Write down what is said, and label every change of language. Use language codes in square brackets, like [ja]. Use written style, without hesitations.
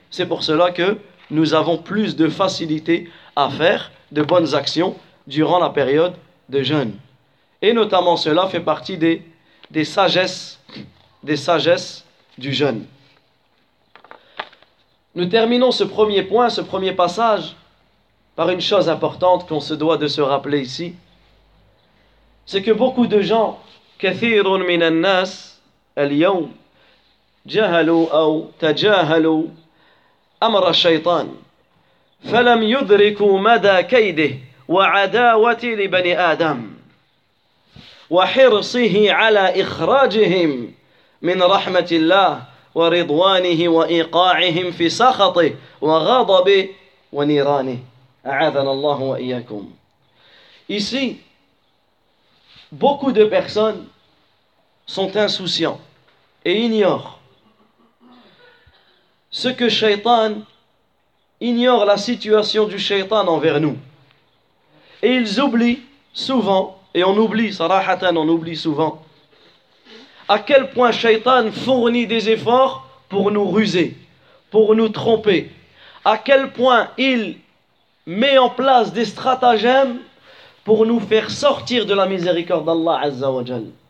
[fr] C'est pour cela que nous avons plus de facilité à faire de bonnes actions durant la période de jeûne. Et notamment cela fait partie des sagesses du jeûne. Nous terminons ce premier point, ce premier passage, par une chose importante qu'on se doit de se rappeler ici. C'est que beaucoup de gens, [ar] كثيرون من الناس اليوم جهلوا أو تجاهلوا أمر الشيطان فلم يدركوا مدى كيده وعداوته لبني آدم وحرصه على إخراجهم من رحمة الله ورضوانه وإيقاعهم في سخطه وغضبه ونيرانه أعاذنا الله وإياكم. [fr] Ici, beaucoup de personnes sont insouciants et ignorent ce que Shaitan ignore, la situation du Shaitan envers nous. Et ils oublient souvent, et on oublie, sarahatan, on oublie souvent, à quel point Shaitan fournit des efforts pour nous ruser, pour nous tromper, à quel point il met en place des stratagèmes pour nous faire sortir de la miséricorde d'Allah Azza wa Jal.